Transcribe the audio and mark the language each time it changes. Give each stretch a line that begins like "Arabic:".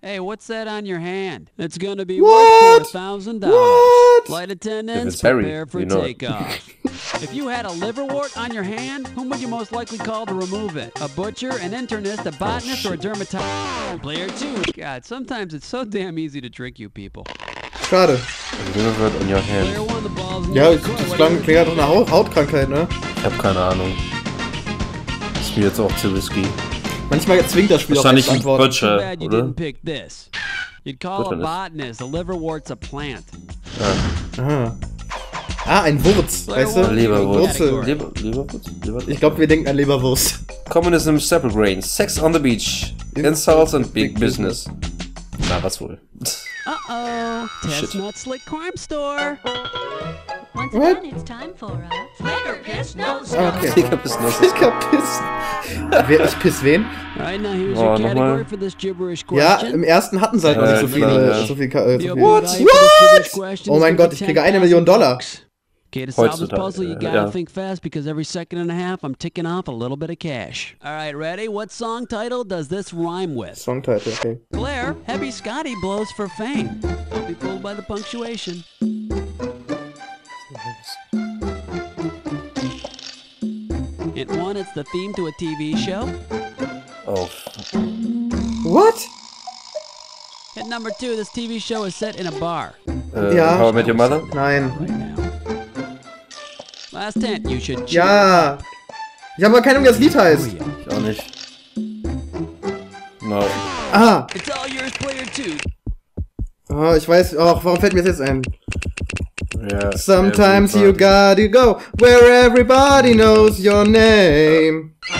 English: Hey, what's that on your hand? It's gonna be worth $1,000. Flight attendants, prepare for takeoff. If you had a liverwort on your hand, whom would you most likely call to remove it? A butcher, an internist, a botanist, or a dermatologist? Player 2. God, sometimes it's so damn easy to trick you people.
German: Schade.
English: A liverwort on your hand.
German: Ja, das klingt halt auch eine Hautkrankheit, ne? Ich hab keine Ahnung. Ist mir jetzt auch zu risky. Manchmal zwingt das Spiel wahrscheinlich auch ein Butcher, oder?
English: Too bad you didn't pick this. You'd call a botanist. A liverwort's a plant.
German: Ah, ein Wurz, weißt du? Leberwurz. Leberwurz? Ich glaube, wir denken an Leberwurst.
English: Communism, Staple Grain, Sex on the Beach, Insults and Big Business.
German: Na, was wohl?
English: Uh-oh, Chestnut Slick Crime Store. Once again, it's time for a Flicker Piss Nose. Okay. Flicker Piss Nose. Flicker
German: Piss. Wer ist Piss wen?
English: Right now, here's your category.
German: Ja, im ersten hatten sie halt noch nicht so viel.
English: What? What?
German: Oh mein Gott, ich kriege $1,000,000.
English: Okay, to solve this puzzle, you gotta think fast, because every second and a half, I'm ticking off a little bit of cash. Alright, ready? What song title does this rhyme with? Song title, okay. Blair, Heavy Scotty blows for fame. Don't be fooled by the punctuation. It won, it's the theme to a TV show. Oh. What? Hit number two, this TV show is set in a bar. Yeah. How I Met Your Mother? Nine. Last hint, you should check. Ja!
German: Ich hab aber keine Ahnung, wie das Lied heißt. Ich auch nicht. No.
English: Aha! It's all yours, player two.
German: Oh, ich weiß, warum fällt mir das jetzt ein?
English: Yeah, sometimes everybody. You gotta go where everybody knows your name.